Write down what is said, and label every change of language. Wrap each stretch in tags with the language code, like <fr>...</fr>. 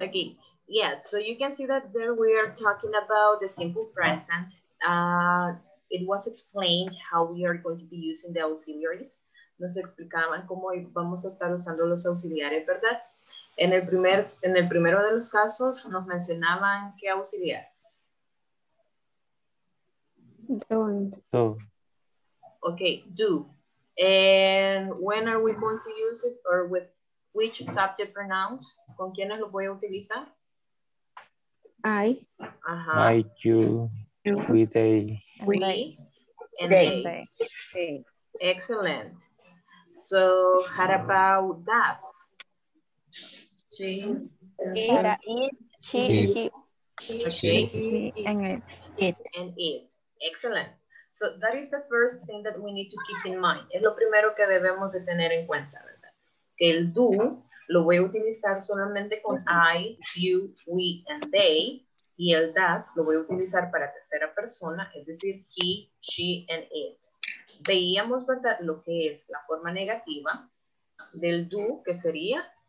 <en>Okay, yeah, so you can see that there we are talking about the simple present. It was explained how we are going to be using the auxiliaries.</en> <es>Nos explicaban cómo vamos a estar usando los auxiliares, ¿verdad? En el primero de los casos, nos mencionaban qué auxiliar.</es> <en>Don't. Oh. Okay, do. And when are we going to use it, or with which subject pronouns?</en> <es>¿Con quiénes lo voy a utilizar?</es> <en>I. Uh-huh. I, you, we, they. We, they. And they. They. Excellent. So, how about does? She. She. She. She. And it. It. And it. Excellent. So that is the first thing that we need to keep in mind.</en> <es>Es lo primero que debemos de tener en cuenta, ¿verdad? Que el do lo voy a utilizar solamente con I, you, we, and they. Y el does lo voy a utilizar para tercera persona, es decir, he, she, and it. Veíamos, ¿verdad? Lo que es la forma negativa del do, que sería?</es>